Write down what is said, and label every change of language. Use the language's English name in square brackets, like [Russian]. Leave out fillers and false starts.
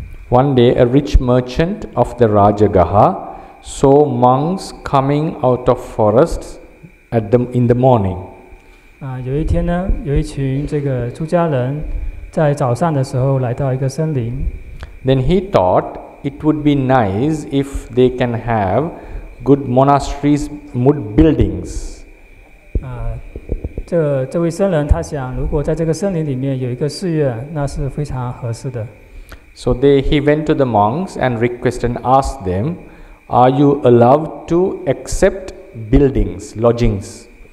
[English] One day, a rich merchant of the Rajagaha saw monks coming out of forests in the morning. [Chinese] 有一天呢，有一群这个出家人在早上的时候来到一个森林。 [English] Then he thought it would be nice if they can have good monasteries, good buildings. [Chinese] 这位僧人他想，如果在这个森林里面有一个寺院，那是非常合适的。 [English] So he went to the monks and requested and asked them, are you allowed to accept buildings, lodgings?